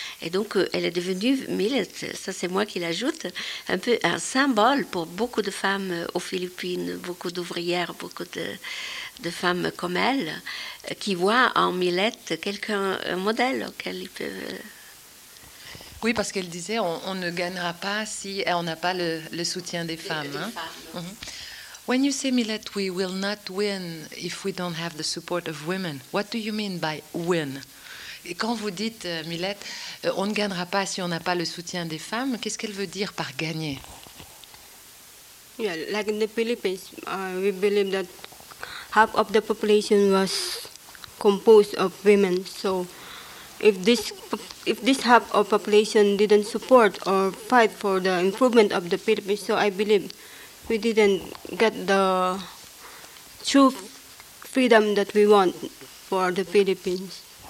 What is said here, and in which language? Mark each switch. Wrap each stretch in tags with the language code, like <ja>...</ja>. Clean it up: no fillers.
<fr>Et donc elle est devenue, Milette, ça c'est moi qui l'ajoute, un peu un symbole pour beaucoup de femmes aux Philippines, beaucoup d'ouvrières, beaucoup de femmes comme elle, qui voient en Milette quelqu'un, un modèle auquel ils peuvent... Oui, parce qu'elle disait, on ne gagnera pas si on n'a pas le soutien des femmes. Hein? Mm-hmm.</fr> <en>When you say, Milette, we will not win if we don't have the support of women, what do you mean by win?</en> <fr>Et quand vous dites, Milette, on ne gagnera pas si on n'a pas le soutien des femmes, qu'est-ce qu'elle veut dire par gagner?</fr> <en>Yeah, like in the Philippines, we believe that half of the population was composed of women, so... If this half of population didn't support or fight for the improvement of the Philippines, so I believe we didn't get the true freedom that we want for the Philippines.</en>